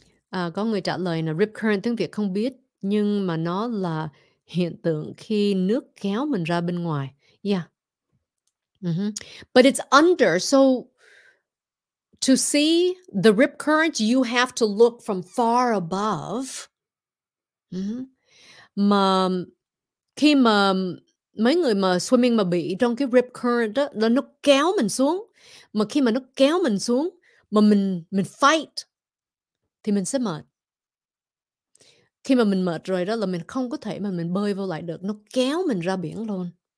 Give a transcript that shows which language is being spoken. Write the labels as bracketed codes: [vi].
[vi] Có người trả lời là rip current tiếng Việt không biết, nhưng mà nó là hiện tượng khi nước kéo mình ra bên ngoài. [en] Yeah. Mm-hmm. But it's under. So to see the rip current, you have to look from far above. Mm-hmm. [vi] Mà khi mà mấy người mà swimming mà bị trong cái rip current đó, là nó kéo mình xuống. Mà khi mà nó kéo mình xuống, mà mình fight, thì mình sẽ mệt. Khi mà mình mệt rồi đó là mình không có thể mà mình bơi vô lại được. Nó kéo mình ra biển luôn.